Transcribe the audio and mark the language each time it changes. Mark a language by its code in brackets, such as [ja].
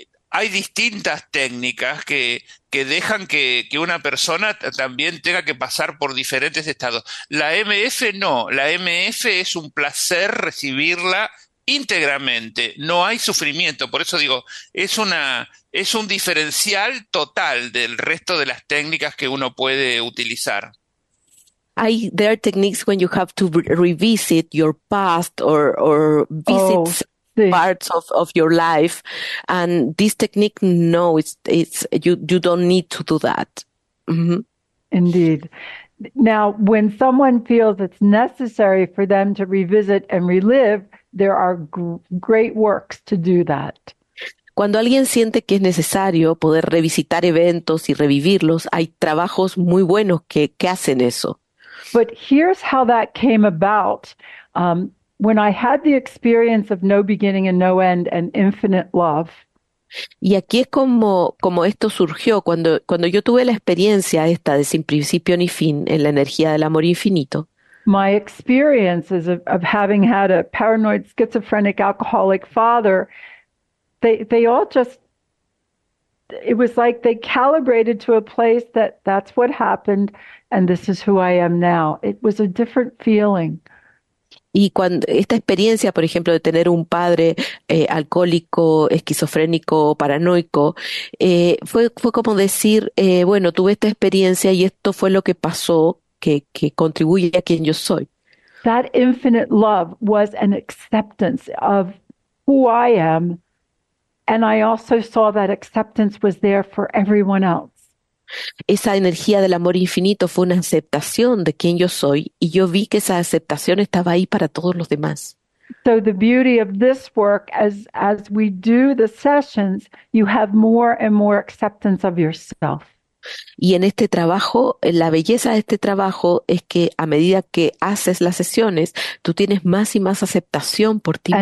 [es] Hay distintas técnicas que dejan que una persona también tenga que pasar por diferentes estados. La MF no, la MF es un placer recibirla íntegramente, no hay sufrimiento, por eso digo, es un diferencial total del resto de las técnicas que uno puede utilizar. [en] There are techniques when you have to revisit your past or visit parts of your life, and this technique, no, it's you don't need to do that. Mm-hmm. Indeed. Now, when someone feels it's necessary for them to revisit and relive, there are great works to do that. [es] Cuando alguien siente que es necesario poder revisitar eventos y revivirlos, hay trabajos muy buenos que hacen eso. [en] But here's how that came about. When I had the experience of no beginning and no end and infinite love. [es] Y aquí es como esto surgió cuando yo tuve la experiencia esta de sin principio ni fin en la energía del amor infinito. [en] My experiences of having had a paranoid schizophrenic alcoholic father, they all just, it was like they calibrated to a place that that's what happened, and this is who I am now. It was a different feeling. [es] Y cuando esta experiencia, por ejemplo, de tener un padre alcohólico, esquizofrénico, paranoico, fue como decir, bueno, tuve esta experiencia y esto fue lo que pasó, que contribuye a quien yo soy. [en] That infinite love was an acceptance of who I am, and I also saw that acceptance was there for everyone else. [es] Esa energía del amor infinito fue una aceptación de quien yo soy, y yo vi que esa aceptación estaba ahí para todos los demás. [en] So the beauty of this work, as we do the sessions, you have more and more acceptance of yourself. [es] Y en este trabajo, la belleza de este trabajo es que a medida que haces las sesiones, tú tienes más y más aceptación por ti